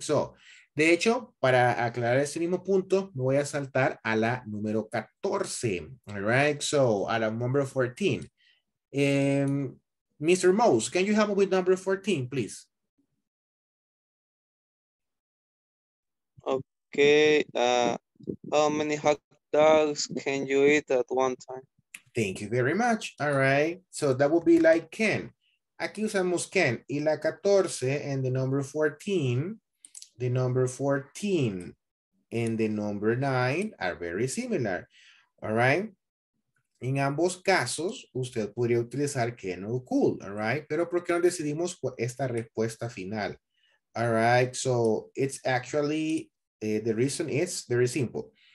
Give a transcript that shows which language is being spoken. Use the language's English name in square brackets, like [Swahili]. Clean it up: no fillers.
[Spanish] So, de hecho, para aclarar ese mismo punto, me voy a saltar a la número 14. [English] All right. So, [Spanish] a la [English] number 14. Mr. Mose, can you help me with number 14, please? Okay. How many hot dogs can you eat at one time? Thank you very much. All right. So, that would be like can. [Spanish] Aquí usamos can y la 14 [English] and the number 14, the number 14 and the number 9 are very similar. All right. [Spanish] En ambos casos, usted podría utilizar can o could. [English] All right. [Spanish] Pero ¿por qué no decidimos esta respuesta final? [English] All right. So it's actually, the reason is very simple.